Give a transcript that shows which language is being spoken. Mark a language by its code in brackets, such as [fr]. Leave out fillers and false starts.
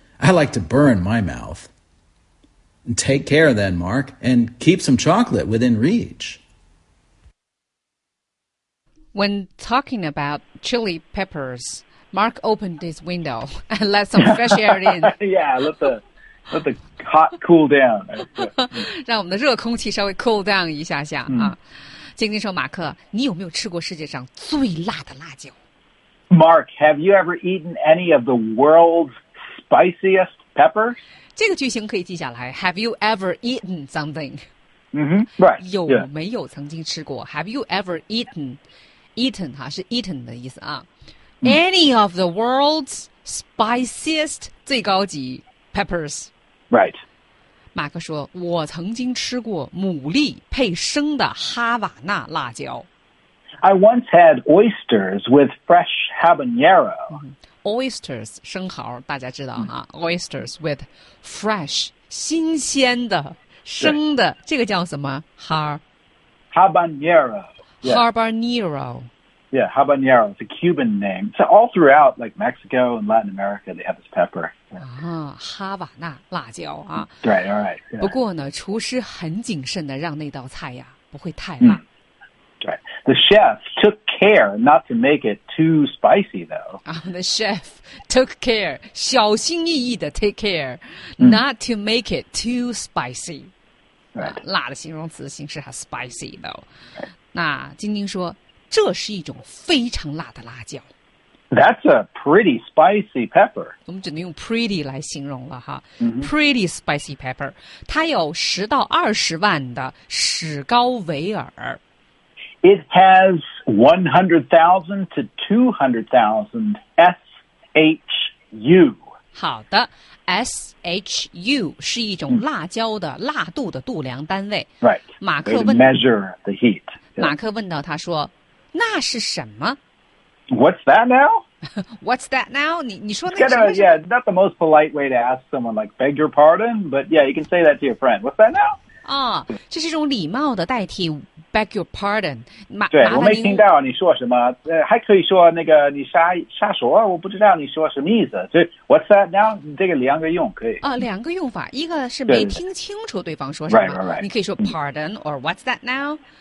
[en] I like to burn my mouth. Take care then, Mark, and keep some chocolate within reach. When talking about chili peppers, Mark opened his window and let some fresh air in. Yeah, let the hot cool down. [zh] 让我们的热空气稍微 [en] cool down [zh] 一下下、啊、静静说马克你有没有吃过世界上最辣的辣椒 [en] Mark, have you ever eaten any of the world's spiciest peppers? [zh] 这个句型可以记下来 [en] Have you ever eaten something?、 Mm-hmm, right. [zh] 有没有曾经吃过 [en] Have you ever eaten 哈是 eaten [zh] 的意思啊 [en] Any of the world's spiciest [zh] 最高级 [en] peppers. Right. [zh] 马克说我曾经吃过牡蛎配生的哈瓦那辣椒。 [en] I once had oysters with fresh habanero. [zh] Oysters, 生蚝大家知道哈、 [en] Oysters with fresh, [zh] 新鲜的生的、这个叫什么 [en] Habanero.、Yeah. Habanero. Yeah, habanero. It's a Cuban name. So all throughout, like Mexico and Latin America, they have this pepper. [zh] Ah, 哈瓦那辣椒啊。 [en] Right, all right.、 [zh] 不过呢，厨师很谨慎的让那道菜呀不会太辣。 [en] Right. The chef took care not to make it too spicy, though. The chef took care, [zh] 小心翼翼的 [en] take care, not to make it too spicy. Right. [zh] 辣的形容词形式还 spicy, though. 那晶晶说这是一种非常辣的辣椒。 [en] That's a pretty spicy pepper. [zh] 我们只能用 pretty 来形容了哈。Mm-hmm. [en] Pretty spicy pepper. [zh] 它有10到20万的史高维尔。 [en] It has 100,000 to 200,000 SHU. [zh] 好的 ,SHU 是一种辣椒的辣度的度量单位。 [en] Right. [zh] 马克问 [en] measure the heat. [zh] 马克问到他说那是什么 [en] What's that now? What's that now? [zh] 你说那是什么 [en] kind of, Yeah, not the most polite way to ask someone like beg your pardon, but yeah, you can say that to your friend. What's that now? [zh] 哦，这是一种礼貌的代替 [en] beg your pardon. [zh] 对，我没听到你说什么，还可以说那个你瞎说，我不知道你说什么意思。所以 [en] What's that now? [zh] 这个两个用可以。两个用法，一个是没听清楚对方说什么， [en] right. [zh] 你可以说 [en] pardon or What's that now?